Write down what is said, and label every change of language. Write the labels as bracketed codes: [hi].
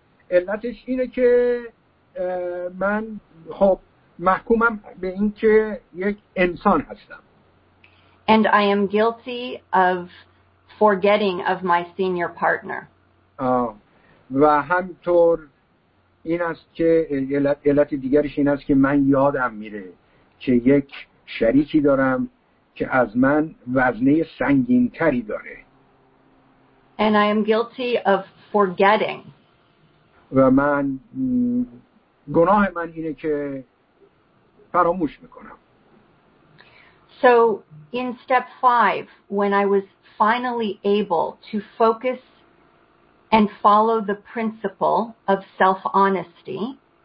[fa] علتش اینه که من خب محکومم به این که یک انسان هستم. [en] And I am guilty of forgetting of my senior partner. [fa] و همطور این است که علت دیگرش این است که من یادم میره که یک شریکی دارم که از من وزنه سنگین تری داره. [en] And I am guilty of forgetting. [fa] و من گناه من اینه که فراموش میکنم. [en] So in step 5, when I was finally able to focus and follow the principle of self-honesty.